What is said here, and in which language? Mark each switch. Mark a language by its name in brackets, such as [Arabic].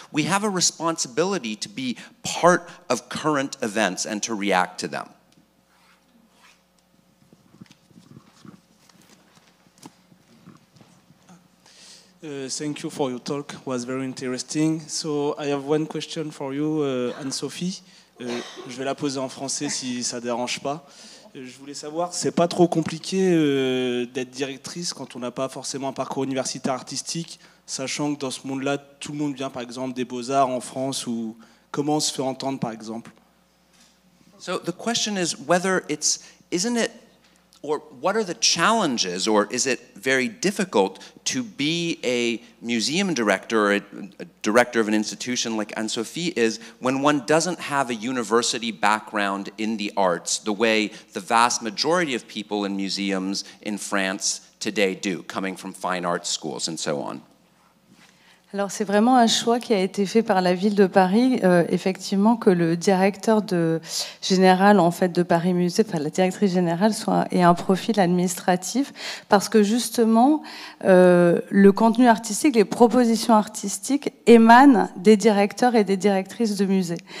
[English] We have a responsibility to be part of current events and to react to them. Thank you for your talk. It was very interesting. So I have one question for you, Anne-Sophie. [French] Je vais la poser en français si ça ne dérange pas. Je voulais savoir, c'est pas trop compliqué d'être directrice quand on n'a pas forcément un parcours universitaire artistique, sachant que dans ce monde-là, tout le monde vient, par exemple, des Beaux-Arts en France ou Comment on se fait entendre, par exemple? [English] So the question is whether it's, isn't it, or what are the challenges, or is it very difficult to be a museum director or a director of an institution like Anne-Sophie is when one doesn't have a university background in the arts the way the vast majority of people in museums in France today do, coming from fine arts schools and so on? [French] Alors c'est vraiment un choix qui a été fait par la ville de Paris, effectivement, que le directeur général en fait de Paris Musée, enfin la directrice générale, soit ait un profil administratif, parce que justement le contenu artistique, les propositions artistiques émanent des directeurs et des directrices de musée.